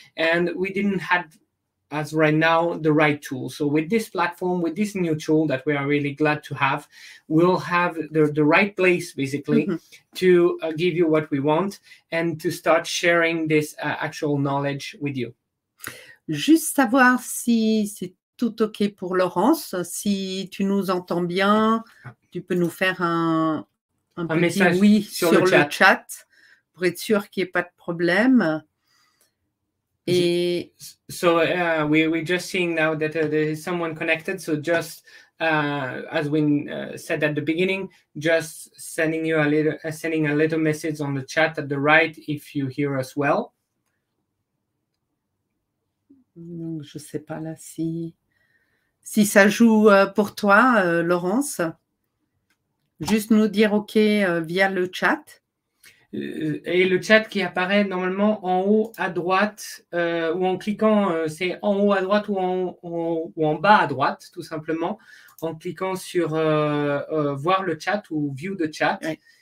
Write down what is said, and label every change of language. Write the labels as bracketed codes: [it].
[en] And we didn't have, as right now, the right tool. So with this platform, with this new tool that we are really glad to have, we'll have the right place, basically, to give you what we want and to start sharing this actual knowledge with you. [fr] Juste savoir si c'est tout OK pour Laurence, si tu nous entends bien, tu peux nous faire un petit message oui sur le chat pour être sûr qu'il n'y ait pas de problème. [en] So we're just seeing now that there is someone connected. So just as we said at the beginning, just sending a little message on the chat at the right if you hear us well. [fr] Je sais pas là si ça joue pour toi, Laurence. Juste nous dire OK via le chat. Et le chat qui apparaît normalement en haut à droite, ou en cliquant, c'est en haut à droite ou en bas à droite, tout simplement, en cliquant sur voir le chat ou [en] view the chat. [fr] Oui.